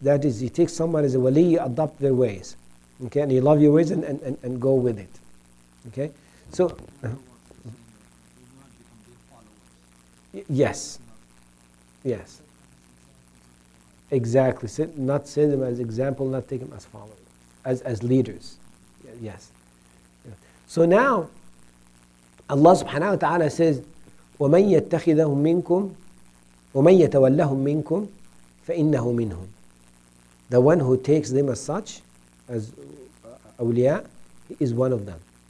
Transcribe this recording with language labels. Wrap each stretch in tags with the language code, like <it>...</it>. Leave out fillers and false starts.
<en>That is, you take someone as a wali, you adopt their ways, okay, and you love your ways and go with it, okay? So, yes, exactly. Not say them as example, not take them as followers, as leaders, yes.</en> <ar>So now, Allah subhanahu wa ta'ala says, وَمَنْ يَتَّخِذَهُمْ مِنْكُمْ وَمَنْ يَتَوَلَّهُمْ مِنْكُمْ فَإِنَّهُ مِنْهُمْ.</ar> <en>The one who takes them as such, as awliya, he is one of them.</en>